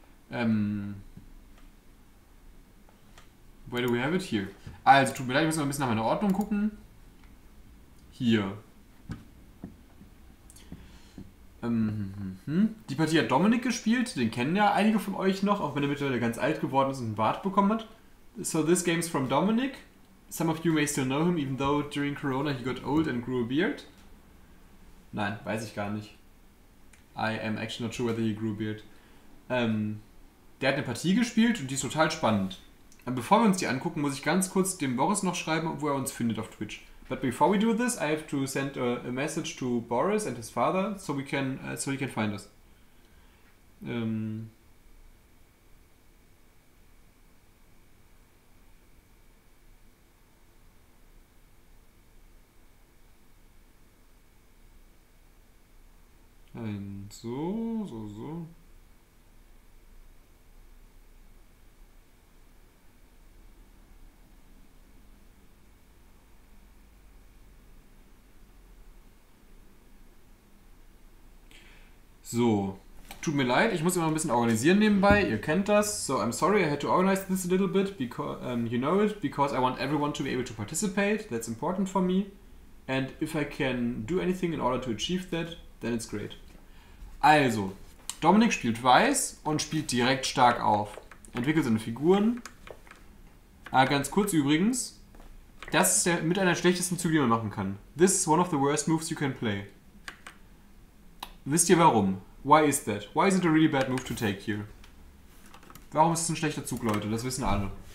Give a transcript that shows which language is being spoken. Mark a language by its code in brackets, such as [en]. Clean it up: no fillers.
[en] Where do we have it here? [de] Also, tut mir leid, ich muss mal ein bisschen nach meiner Ordnung gucken. Hier. Die Partie hat Dominik gespielt, den kennen ja einige von euch noch, auch wenn er mittlerweile ganz alt geworden ist und einen Bart bekommen hat. [en] So, this game is from Dominic. Some of you may still know him, even though during Corona he got old and grew a beard. [de] Nein, weiß ich gar nicht. [en] I am actually not sure whether he grew a beard. [de] Der hat eine Partie gespielt und die ist total spannend. Aber bevor wir uns die angucken, muss ich ganz kurz dem Boris noch schreiben, wo er uns findet auf Twitch. [en] But before we do this, I have to send a message to Boris and his father, so we can so he can find us. [de] Nein, so. So, tut mir leid, ich muss immer ein bisschen organisieren nebenbei, ihr kennt das. [en] So, I'm sorry, I had to organize this a little bit, because, you know it, because I want everyone to be able to participate, that's important for me. And if I can do anything in order to achieve that, then it's great. [de] Also, Dominik spielt weiß und spielt direkt stark auf. Entwickelt seine Figuren. Ah, ganz kurz übrigens, das ist der, mit einer schlechtesten Züge, die man machen kann. [en] This is one of the worst moves you can play. [de] Wisst ihr warum? [en] Why is that? Why is it a really bad move to take here? [de] Warum ist es ein schlechter Zug, Leute? Das wissen alle.